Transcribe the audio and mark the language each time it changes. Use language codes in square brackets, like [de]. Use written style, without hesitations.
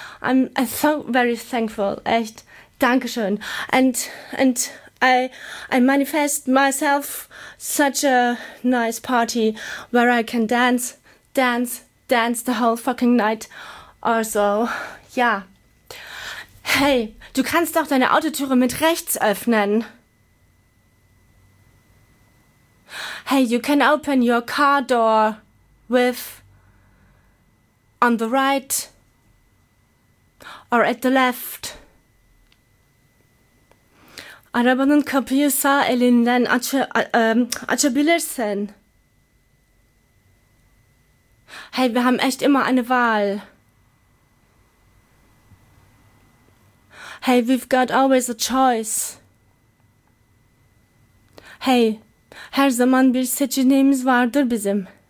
[en] I'm so very thankful, [de] echt. Dankeschön. [en] And I manifest myself such a nice party where I can dance the whole fucking night or so. [de] Ja. Hey, du kannst doch deine Autotüre mit rechts öffnen. [en] Hey, you can open your car door with on the right or at the left. [tr] Arabanın kapıyı sağ elinden açabilirsin. [de] Hey, wir haben echt immer eine Wahl. [en] Hey, we've got always a choice. [tr] Hey, her zaman bir seçeneğimiz vardır bizim.